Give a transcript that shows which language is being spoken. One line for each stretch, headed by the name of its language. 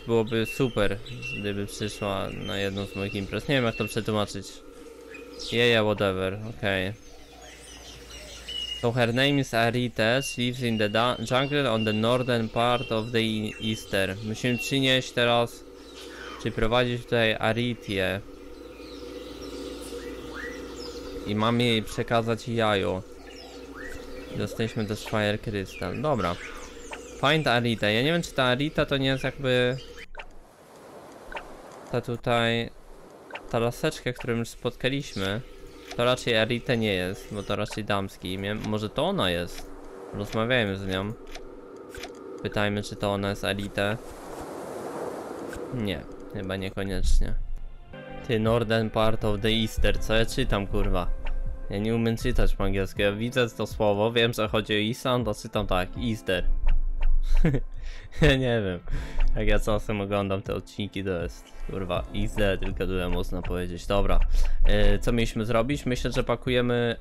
Polish: Byłoby super, gdyby przyszła na jedną z moich imprez. Nie wiem, jak to przetłumaczyć.
English: Yeah, whatever. Okej. Okay. So her name is Arite. She lives in the jungle on the northern part of the Easter.
Polish: Musimy przynieść teraz, czy prowadzić tutaj Aritię. I mam jej przekazać jajo. Dostaliśmy też Fire Crystal. Dobra.
English: Find Arita.
Polish: Ja nie wiem, czy ta Arita to nie jest jakby ta tutaj, ta laseczka, którą już spotkaliśmy. To raczej Arita nie jest, bo to raczej damskie imię. Może to ona jest? Rozmawiajmy z nią. Pytajmy, czy to ona jest Arita. Nie, chyba niekoniecznie.
English: Ty, Northern part of the Easter.
Polish: Co ja czytam, kurwa? Ja nie umiem czytać po angielsku. Ja widzę to słowo, wiem, że chodzi o Island, to czytam tak, Easter. Ja nie wiem, jak ja czasem oglądam te odcinki, to jest kurwa Easter, tylko tyle można powiedzieć. Dobra, co mieliśmy zrobić? Myślę, że pakujemy.